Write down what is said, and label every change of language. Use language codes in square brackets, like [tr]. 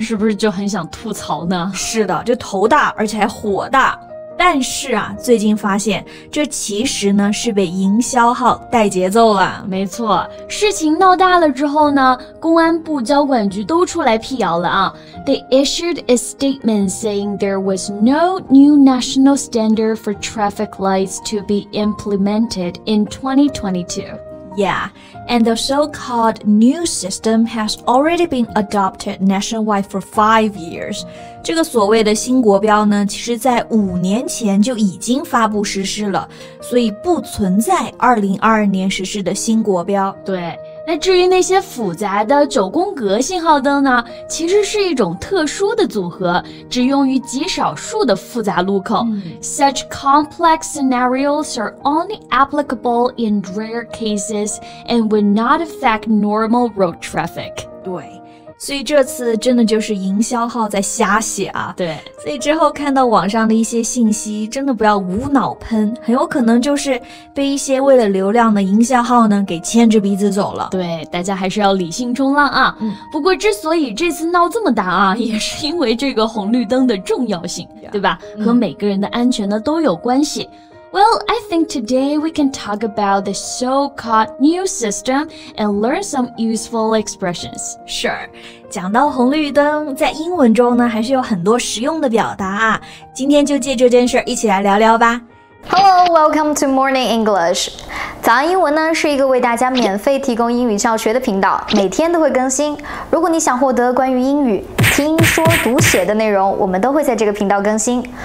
[zh] 是不是就很想吐槽呢？是的，就头大而且还火大。但是啊，最近发现这其实呢是被营销号带节奏了。没错，事情闹大了之后呢，公安部交管局都出来辟谣了啊。 [en] They issued a statement saying there was no new national standard for traffic lights to be implemented in 2022. Yeah, and the so-called new system has already been adopted nationwide for 5 years. [zh] 这个所谓的新国标呢，其实在五年前就已经发布实施了，所以不存在2022年实施的新国标。对。那至于那些复杂的九宫格信号灯呢，其实是一种特殊的组合，只用于极少数的复杂路口。 [en] Such complex scenarios are only applicable in rare cases and would not affect normal road traffic. [zh] 对。所以这次真的就是营销号在瞎写啊。对。所以之后看到网上的一些信息真的不要无脑喷，很有可能就是被一些为了流量的营销号呢给牵着鼻子走了。对，大家还是要理性冲浪啊。不过之所以这次闹这么大啊，也是因为这个红绿灯的重要性、对吧，和每个人的安全呢都有关系。 [en] Well, I think today we can talk about the so-called new system and learn some useful expressions. Sure. [zh] 讲到红绿灯，在英文中呢，还是有很多实用的表达啊。今天就借这件事一起来聊聊吧。 [en] Hello, welcome to Morning English. [zh] 早安英文呢，是一个为大家免费提供英语教学的频道，每天都会更新。如果你想获得关于英语听说读写的内容，我们都会在这个频道更新。